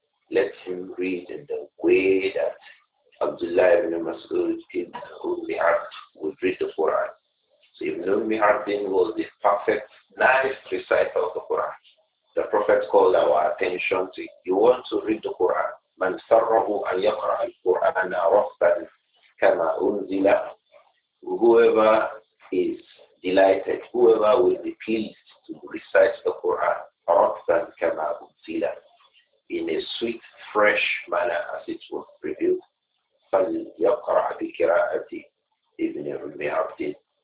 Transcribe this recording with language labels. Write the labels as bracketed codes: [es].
[en] Let him read in the way that Abdullah ibn Mas'ud ibn Ummi Abd would read the Quran. So Ibn Ummi Abdin was the perfect, nice recital of the Quran. The Prophet called our attention to, you want to read the Quran, [ar] من سره أن يقرأ القرآن رصدا كما أنزل. [en] Whoever is delighted, whoever will be pleased to recite the Quran, [ar] rostan kama unzila, [en] in a sweet, fresh manner as it was revealed, [ar] fal yaqra' bi qira'ati ibn Rumi Abdin.